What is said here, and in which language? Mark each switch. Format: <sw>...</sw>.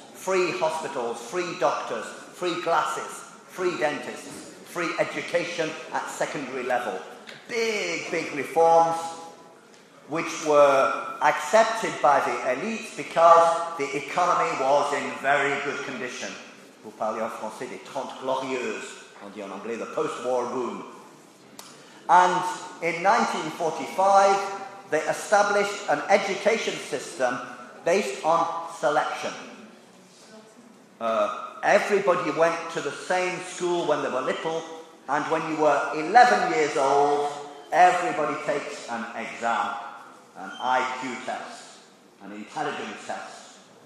<en>Free hospitals, free doctors, free classes, free dentists, free education at secondary level. Big, big reforms, which were accepted by the elites because the economy was in very good condition.</en> <fr>Vous parlez en français des Trente Glorieuses, on dit en anglais</fr> <en>the post-war boom. And in 1945, they established an education system based on selection. Everybody went to the same school when they were little, and when you were 11 years old, everybody takes an exam, an IQ test, an intelligence test.</en>